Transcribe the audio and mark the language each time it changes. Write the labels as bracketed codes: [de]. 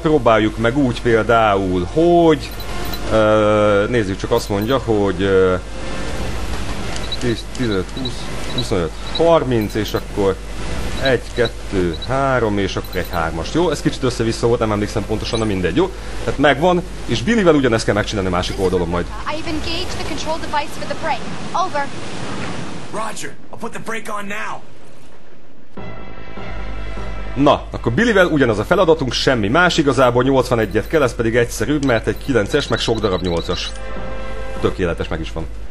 [hu] Próbáljuk meg úgy például, hogy... nézzük csak, azt mondja, hogy... 10, 15, 20, 25, 30, és akkor 1, 2, 3, és akkor egy 3-as. Jó, ez kicsit össze-vissza volt, nem emlékszem pontosan, de mindegy, jó? Tehát megvan, és Billyvel ugyanezt kell megcsinálni másik oldalon majd. [en] I've engaged the control device for the brake. Over. Roger, I'll put the brake on now. [hu] Na, akkor Billyvel ugyanaz a feladatunk, semmi más, igazából 81-et kell, ez pedig egyszerűbb, mert egy 9-es, meg sok darab 8-as. Tökéletes, meg is van.